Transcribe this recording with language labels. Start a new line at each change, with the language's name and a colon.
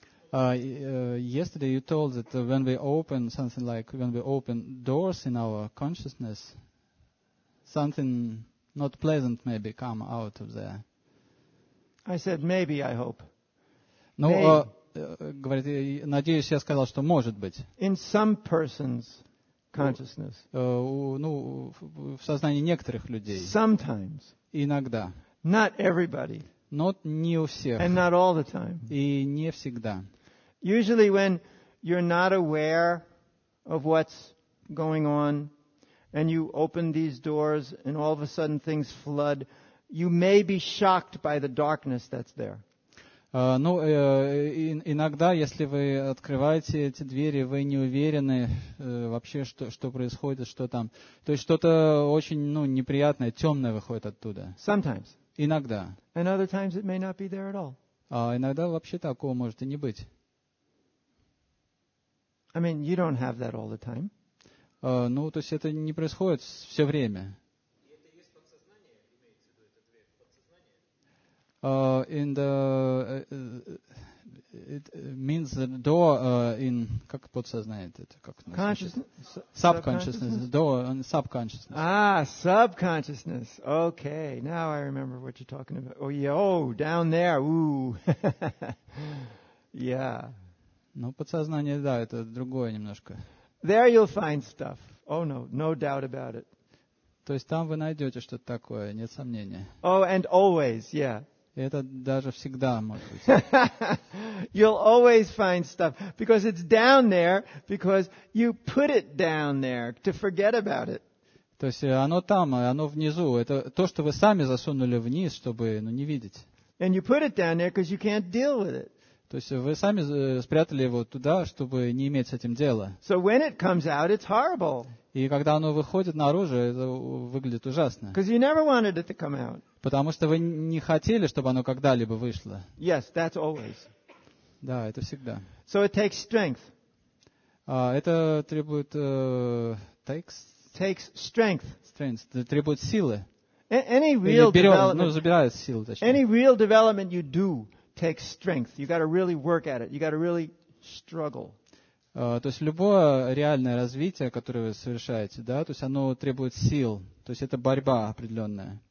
English: Yesterday you told that when we open something like when we open doors in our consciousness, something not pleasant maybe come out of there. I said maybe, I hope.
Russian: Говорит, надеюсь, я сказал, что может быть.
English: In some person's consciousness.
Russian: В сознании некоторых людей.
English: Sometimes.
Russian: Иногда.
English: Not everybody.
Russian: Not не у всех.
English: And not all the time.
Russian: И не всегда.
English: Usually when you're not aware of what's going on, and you open these doors, and all of a sudden things flood, you may be shocked by the darkness that's there.
Russian: Иногда, если вы открываете эти двери, вы не уверены вообще, что происходит, что там. То есть что-то очень неприятное, темное выходит оттуда.
English: Sometimes.
Russian: Иногда.
English: And other times it may not be there at all.
Russian: Иногда вообще такого может и не быть.
English: I mean, you don't have that all the time.
Russian: То есть это не происходит все время.
English: It means the door in как подсознание это как subconsciousness door on subconsciousness. Ah, subconsciousness. Okay, now I remember what you're talking about. Oh yeah, oh down there. Ooh, yeah.
Russian: Ну подсознание да, это другое немножко.
English: There you'll find stuff. Oh no doubt about it.
Russian: То есть там вы найдете что-то такое, нет сомнения.
English: Oh, and always, yeah.
Russian: Это даже всегда может быть.
English: You'll always find stuff because it's down there because you put it down there to forget about it.
Russian: То есть оно там, оно внизу. Это то, что вы сами засунули вниз, чтобы не видеть.
English: And you put it down there because you can't deal with it.
Russian: То есть вы сами спрятали его туда, чтобы не иметь с этим дела.
English: So when it comes out, it's horrible.
Russian: И когда оно выходит наружу, это выглядит ужасно.
English: Because you never wanted it to come out.
Russian: Потому что вы не хотели, чтобы оно когда-либо вышло.
English: Yes, that's always.
Russian: Да, это всегда.
English: So it takes strength.
Russian: Это требует takes
English: strength.
Russian: Strength. Это требует силы.
English: Any real
Russian: берет,
English: development.
Russian: Забирает силу, точнее.
English: Any real development you do takes strength. You got to really work at it. You got to really struggle.
Russian: То есть любое реальное развитие, которое вы совершаете, да, то есть оно требует сил. То есть это борьба определенная.